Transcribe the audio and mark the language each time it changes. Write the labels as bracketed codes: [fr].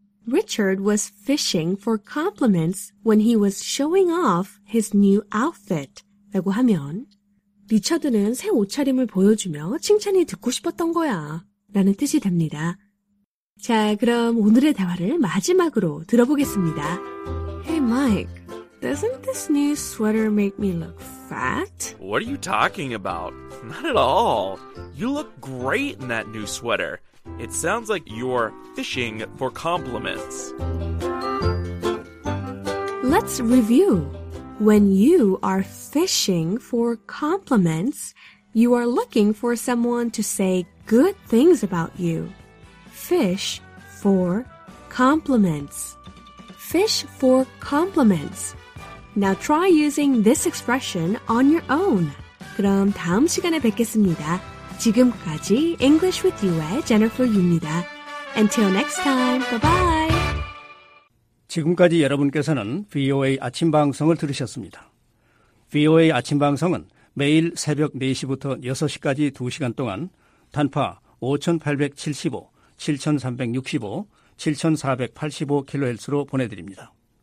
[en] Richard was fishing for compliments when he was showing off his new outfit. [ko] 라고 하면, 리처드는 새 옷차림을 보여주며 칭찬이 듣고 싶었던 거야. 라는 뜻이 됩니다. 자, 그럼 오늘의 대화를 마지막으로 들어보겠습니다. [en] Hey, Mike, doesn't this new sweater make me look fat? What are you talking about? Not at all. You look great in that new sweater. It sounds like you're fishing for compliments. Let's review. When you are fishing for compliments, you are looking for someone to say good things about you. Fish for compliments. Fish for compliments. Now try using this expression on your own. [ko] 그럼 다음 시간에 뵙겠습니다. 지금까지 English with You의 Jennifer Yu입니다. [en] Until next time, bye-bye! [ko] 지금까지 여러분께서는 VOA 아침 방송을 들으셨습니다. VOA 아침 방송은 매일 새벽 4시부터 6시까지 2시간 동안 단파 5875, 7365, 7485kHz로 보내드립니다.